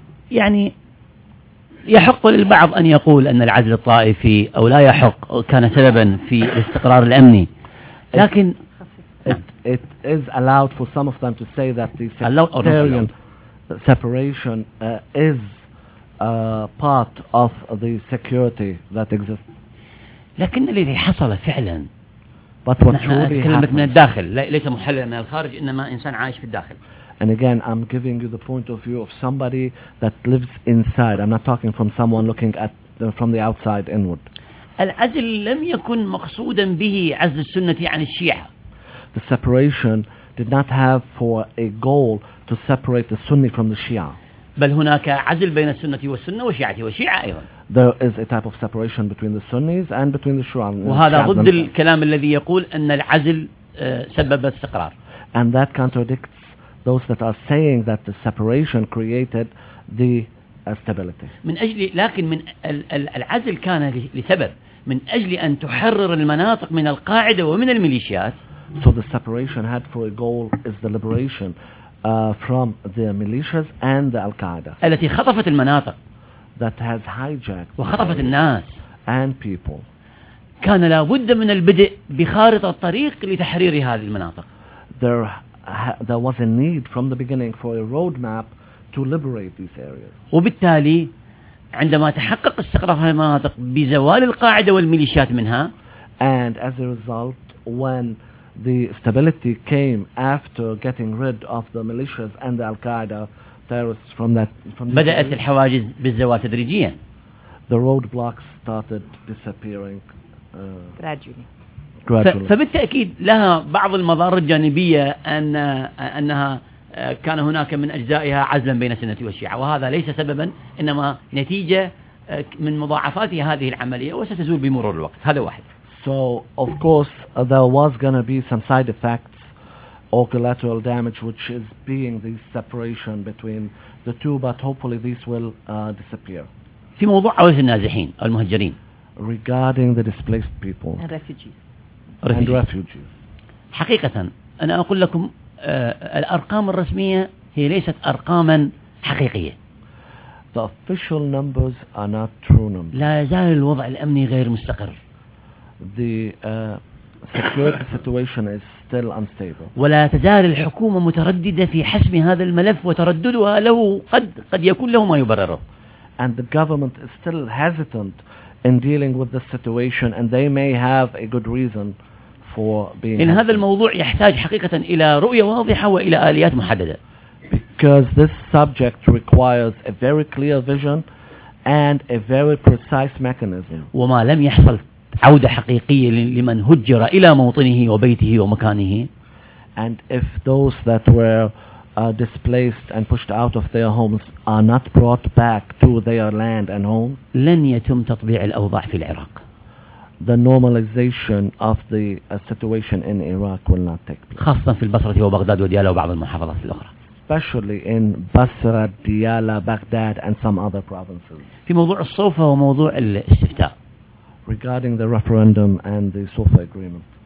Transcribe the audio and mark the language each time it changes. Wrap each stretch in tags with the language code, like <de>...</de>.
<ar>يعني يحق للبعض أن يقول أن العزل الطائفي أو لا يحق كان سببا في الاستقرار الأمني لكن</ar> <en>it is allowed for some of them to say that the sectarian separation is part of the security that exists.</en> <ar>لكن الذي حصل فعلا</ar> <en>but what truly happened</en> <ar>من الداخل ليس محللا من الخارج إنما إنسان عايش في الداخل.</ar> <en>And again, I'm giving you the point of view of somebody that lives inside. I'm not talking from someone looking at from the outside inward.</en> <ar>العزل لم يكن مقصودا به عزل السنة عن الشيعة.</ar> <en>The separation did not have for a goal to separate the Sunni from the Shia.</en> <ar>بل هناك عزل بين السنة والسنة والشيعة والشيعة أيضا.</ar> <en>There is a type of separation between the Sunnis and between the Shia.</en> <ar>وهذا ضد الكلام الذي يقول أن العزل سبب استقرار.</ar> <en>And that contradicts those that are saying that the separation created the stability.</en> <ar>من أجل لكن من العزل كان لسبب من أجل أن تحرر المناطق من القاعدة ومن الميليشيات.</ar> <en>So the separation had for a goal is the liberation from the militias and the Al-Qaeda.</en> <ar>التي خطفت المناطق.</ar> <en>That has hijacked.</en> <ar>وخطفت الناس.</ar> <en>And people.</en> <ar>كان لابد من البدء بخارطة الطريق لتحرير هذه المناطق.</ar> <en>There was a need from the beginning for a roadmap to liberate these areas.</en> <ar>وبالتالي عندما تحقق استقرار هذه المناطق بزوال القاعدة والميليشيات منها.</ar> <en>And as a result, when the stability came after getting rid of the militias and the Al-Qaeda terrorists from that. From</en> <ar>بدأت الحواجز بالزوال تدريجيا.</ar> <en>The roadblocks started disappearing. Gradually.</en> <ar>فبالتأكيد لها بعض المضار الجانبية أنها كان هناك من أجزائها عزلا بين السنة والشيعة وهذا ليس سببا إنما نتيجة من مضاعفات هذه العملية وستزول بمرور الوقت هذا واحد.</ar> <en>So of course there was going to be some side effects or collateral damage which is being the separation between the two but hopefully these will disappear.</en> <ar>في موضوع عودة النازحين المهجرين.</ar> <en>Regarding the displaced people and refugees. And refugees.</en> <ar>حقيقة أنا أقول لكم الأرقام الرسمية هي ليست أرقاما حقيقية.</ar> <en>The official numbers are not true numbers.</en> <ar>لا يزال الوضع الأمني غير مستقر.</ar> <en>The security situation is still unstable.</en> <ar>ولا تزال الحكومة مترددة في حسم هذا الملف وترددها له قد يكون له ما يبرره.</ar> <en>And the government is still hesitant in dealing with this situation, and they may have a good reason for being.</en> <ar>إن هذا الموضوع يحتاج حقيقة إلى رؤية واضحة وإلى آليات محددة.</ar> <en>Because this subject requires a very clear vision and a very precise mechanism.</en> <ar>وما لم يحصل عودة حقيقية لمن هجر إلى موطنه وبيته ومكانه.</ar> <en>And if those that were displaced and pushed out of their homes are not brought back to their land and home.</en> <ar>لن يتم تطبيع الأوضاع في العراق.</ar> <en>The normalization of the situation in Iraq will not take place.</en> <ar>خاصة في البصرة وبغداد وديالى وبعض المحافظات الأخرى.</ar> <en>Especially in Basra, Diyala, Baghdad, and some other provinces.</en> <ar>في موضوع الصوفة وموضوع الاستفتاء.</ar> <en>Regarding the referendum and the Sofa agreement.</en>